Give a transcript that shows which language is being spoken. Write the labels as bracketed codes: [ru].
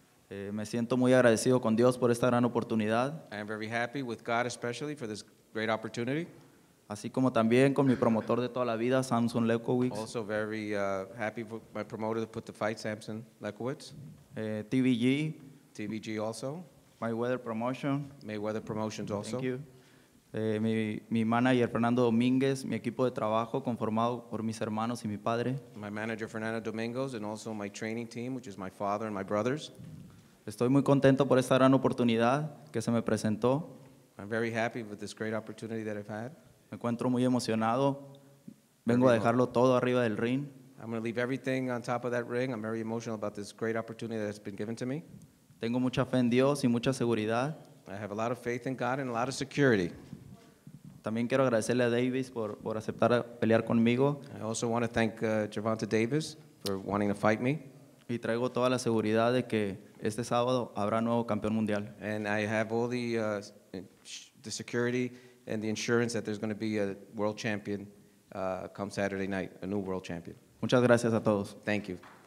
[es] Me siento muy agradecido con Dios por esta gran oportunidad. [en] I am very happy with God especially for this great opportunity. [es] Así como también con mi promotor de toda la vida, Samson Lekowitz. [en] Also very happy for my promoter to put the fight, Samson Lekowitz. TVG. TVG also. [es] Mayweather Promotion. [en] Mayweather Promotions also. Thank you. [es] Mi manager Fernando Domínguez, mi equipo de trabajo conformado por mis hermanos y mi padre. [en] My manager Fernando Domínguez and also my training team, which is my father and my brothers. [es] Estoy muy contento por esta gran oportunidad que se me presentó. [en] I'm very happy with this great opportunity that I've had. [es] Me encuentro muy emocionado. Vengo a dejarlo todo arriba del ring. [en] I'm going to leave everything on top of that ring. I'm very emotional about this great opportunity that has been given to me. [es] Tengo mucha fe en Dios y mucha seguridad. [en] I have a lot of faith in God and a lot of security. [es] También quiero agradecerle a Davis por aceptar pelear conmigo. [en] I also want to thank Gervonta Davis for wanting to fight me. [es] Y traigo toda la seguridad de que este sábado habrá nuevo campeón mundial. [en] And I have all the security and the insurance that there's going to be a world champion come Saturday night, a new world champion. [es] Muchas gracias a todos. [en] Thank you.